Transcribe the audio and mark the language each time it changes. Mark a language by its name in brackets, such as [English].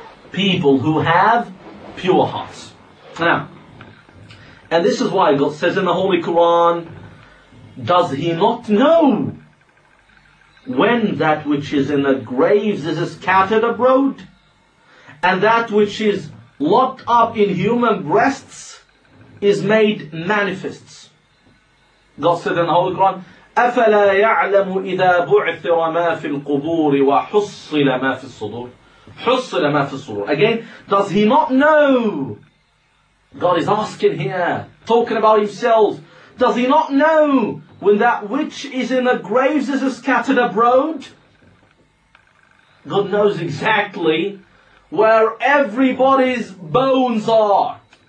[English] People who have pure hearts. Now, and this is why God says in the Holy Quran, does he not know when that which is in the graves is scattered abroad, and that which is locked up in human breasts is made manifest? God said in the Holy Quran, [Arabic] أَفَلَا يَعْلَمُ إِذَا بُعْثِرَ مَا فِي الْقُبُورِ وَحُصِّلَ مَا فِي الصُّدُورِ حُصِّلَ مَا فِي الصُّدُورِ. [English] Again, does he not know? God is asking here, talking about himself. Does he not know when that which is in the graves is scattered abroad? God knows exactly where everybody's bones are.